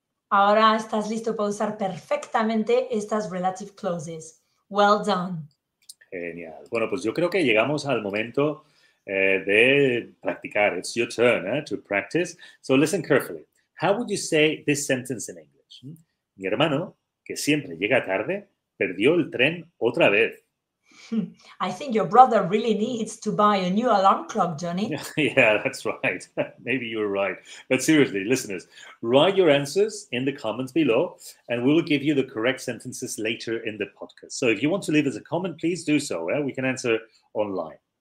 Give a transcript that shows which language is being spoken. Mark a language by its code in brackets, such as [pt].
[es] Ahora estás listo para usar perfectamente estas relative clauses. [en] Well done. [es] Genial. Bueno, pues yo creo que llegamos al momento de practicar. [en] It's your turn to practice. So listen carefully. How would you say this sentence in English? [es] Mi hermano, que siempre llega tarde, perdió el tren otra vez. [en] I think your brother really needs to buy a new alarm clock, Johnny. Yeah, that's right. Maybe you're right. But seriously, listeners, write your answers in the comments below and we'll give you the correct sentences later in the podcast. So if you want to leave us a comment, please do so. Yeah? We can answer online.